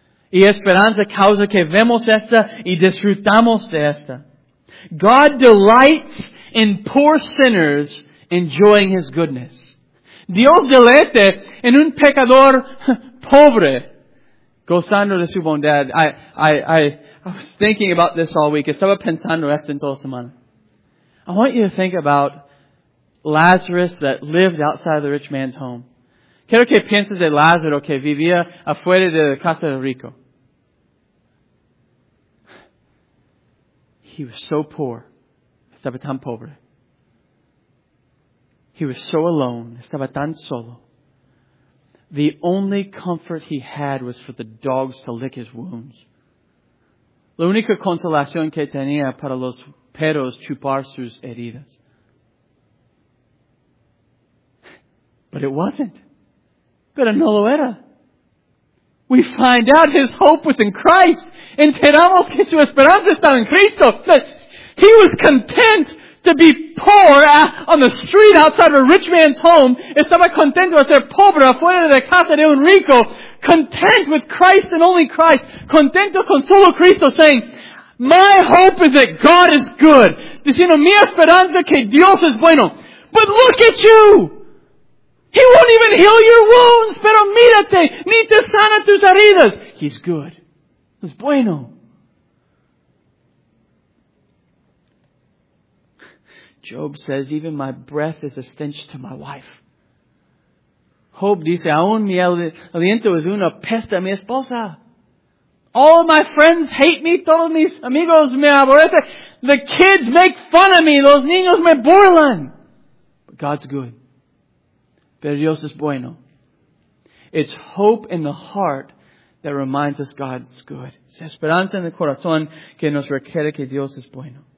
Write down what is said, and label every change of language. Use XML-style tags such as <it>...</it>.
<es>Y esperanza causa que vemos esta y disfrutamos de esta.</es> <en>God delights in poor sinners enjoying His goodness.</en> <es>Dios deleite en un pecador pobre gozando de su bondad.</es> <en>I was thinking about this all week.</en> <es>Estaba pensando esto en toda semana.</es> <en>I want you to think about Lazarus that lived outside of the rich man's home.</en> <es>Quiero que pienses de Lázaro que vivía afuera de la casa del rico.</es> <en>He was so poor.</en> <es>Estaba tan pobre.</es> <en>He was so alone.</en> <es>Estaba tan solo.</es> <en>The only comfort he had was for the dogs to lick his wounds.</en> <es>La única consolación que tenía para los perros chupar sus heridas.</es> <en>But it wasn't.</en> <es>Pero no lo era.</es> <en>We find out his hope was in Christ.</en> <es>Enteramos que su esperanza estaba en Cristo.</es> <en>That he was content to be poor on the street outside of a rich man's home.</en> <es>Estaba contento de ser pobre afuera de casa de un rico.</es> <en>Content with Christ and only Christ.</en> <es>Contento con solo Cristo,</es> <en>saying, my hope is that God is good.</en> <es>Diciendo, mi esperanza que Dios es bueno.</es> <en>But look at you! He won't even heal your wounds,</en> <es>pero mírate, ni te sana tus heridas.</es> <en>He's good.</en> <es>Es bueno.</es> <en>Job says, even my breath is a stench to my wife.</en> <es>Job dice, aún mi aliento es una peste a mi esposa.</es> <en>All my friends hate me,</en> <es>todos mis amigos me aborrecen.</es> <en>The kids make fun of me,</en> <es>los niños me burlan.</es> <en>But God's good.</en> <es>Pero Dios es bueno.</es> <en>It's hope in the heart that reminds us God's good.</en> <es>Es esperanza en el corazón que nos requiere que Dios es bueno.</es>